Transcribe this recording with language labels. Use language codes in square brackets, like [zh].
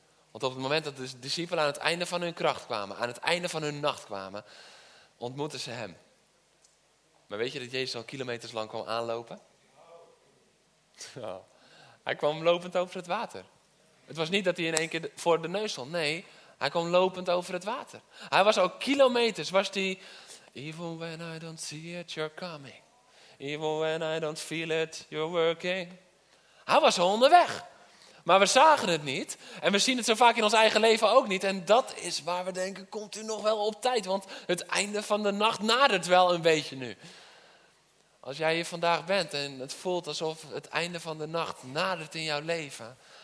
[nl] Want op het moment dat de discipelen aan het einde van hun kracht kwamen, aan het einde van hun nacht kwamen, ontmoetten ze hem. Maar weet je dat Jezus al kilometers lang kwam aanlopen? Oh. Hij kwam lopend over het water. Het was niet dat hij in één keer voor de neus stond. Nee, hij kwam lopend over het water. Hij was al kilometers, was die... [en] Even when I don't see it, you're coming. Even when I don't feel it, you're working. [nl] Hij was al onderweg. Maar we zagen het niet. En we zien het zo vaak in ons eigen leven ook niet. En dat is waar we denken, komt u nog wel op tijd? Want het einde van de nacht nadert wel een beetje nu. Als jij hier vandaag bent en het voelt alsof het einde van de nacht nadert in jouw leven.